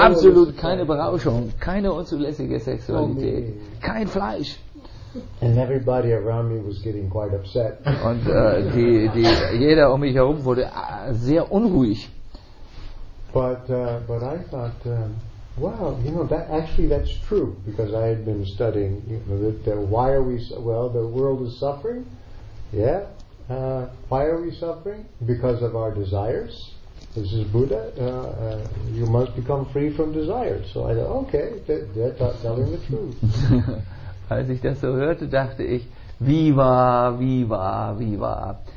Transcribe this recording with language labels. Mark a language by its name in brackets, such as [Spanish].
[German] absolut keine Berauschung, keine unzulässige Sexualität, kein Fleisch. [English] And everybody around me was getting quite upset. [German] Und jeder um mich herum wurde sehr unruhig. [English] But I thought, wow, you know, that actually that's true, because I had been studying. You know, that why are we the world is suffering? Yeah. Why are we suffering? Because of our desires. This is Buddha. You must become free from desires. So I thought, okay, they're telling the truth. [German] Als ich das so hörte, dachte ich, viva, viva, viva.